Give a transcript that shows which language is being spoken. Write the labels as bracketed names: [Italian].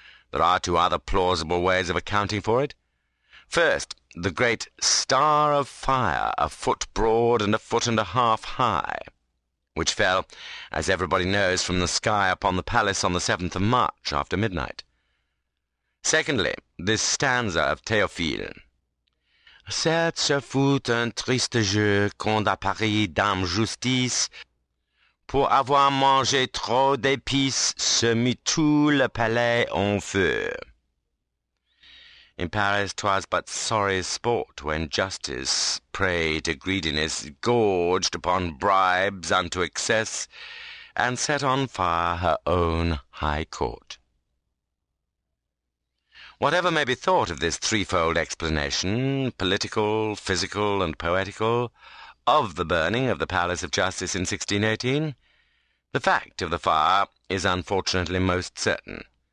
[English] There are two other plausible ways of accounting for it. First, the great star of fire, a foot broad and a foot and a half high, which fell, as everybody knows, from the sky upon the palace on the 7th of March after midnight. Secondly, this stanza of Théophile, [French] Certes, ce fut un triste jeu quand à Paris dame justice, pour avoir mangé trop d'épices, se mit tout le palais en feu. [English] In Paris, 'twas but sorry sport when justice, prey to greediness, gorged upon bribes unto excess, and set on fire her own high court. Whatever may be thought of this threefold explanation, political, physical, and poetical, of the burning of the Palace of Justice in 1618, the fact of the fire is unfortunately most certain.